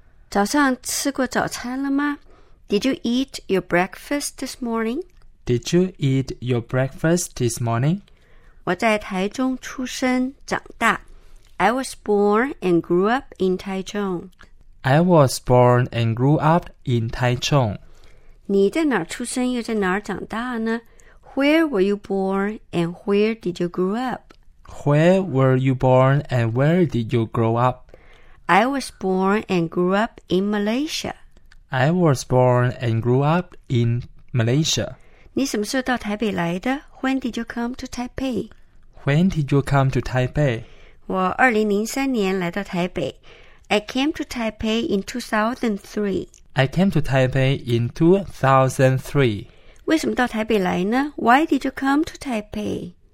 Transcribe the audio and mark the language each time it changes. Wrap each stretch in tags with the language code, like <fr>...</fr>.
<zh>早上吃过早餐了吗？</zh> <en>Did you eat your breakfast this morning? Did you eat your breakfast this morning?</en> <zh>我在台中出生长大。</zh> <en>I was born and grew up in Taichung. I was born and grew up in Taichung.</en> <zh>你在哪儿出生又在哪儿长大呢？</zh> <en>Where were you born and where did you grow up? Where were you born and where did you grow up? I was born and grew up in Malaysia. I was born and grew up in Malaysia.</en> <zh>你什么时候到台北来的？</zh> <en>When did you come to Taipei? When did you come to Taipei?</en> <zh>我2003年来到台北。</zh> <en>I came to Taipei in 2003. I came to Taipei in 2003.</en> <zh>为什么到台北来呢？</zh> <en>Why did you come to Taipei?</en>